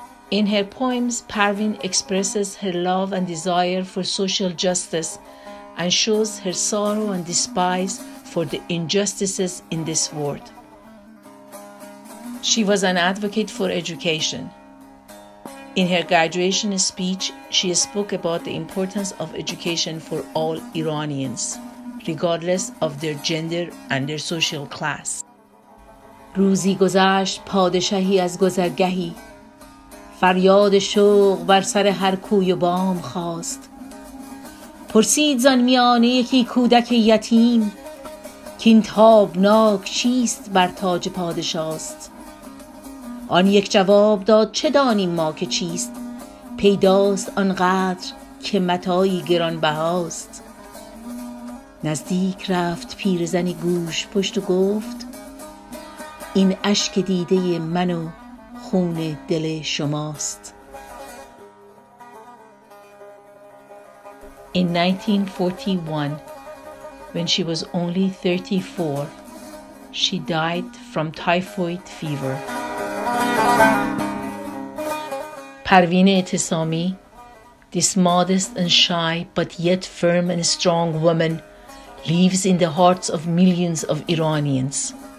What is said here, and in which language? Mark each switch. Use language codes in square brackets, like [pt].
[en] In her poems, Parvin expresses her love and desire for social justice and shows her sorrow and despise for the injustices in this world. She was an advocate for education. In her graduation speech, she spoke about the importance of education for all Iranians, regardless of their gender and their social class. [fa] روزی گذشت پادشاهی از گذرگهی فریاد شوق بر سر هر کوی و بام خواست پرسید زن میانه یکی کودک یتیم کین تابناک چیست بر تاج پادشاست آن یک جواب داد چه دانیم ما که چیست پیداست آنقدر که متاعی گرانبهاست نزدیک رفت پیرزنی گوش پشت و گفت این اشک دیده من و خون دل شماست [en] In 1941, when she was only 34, she died from typhoid fever. Parvin Etesami, this modest and shy but yet firm and strong woman, lives in the hearts of millions of Iranians.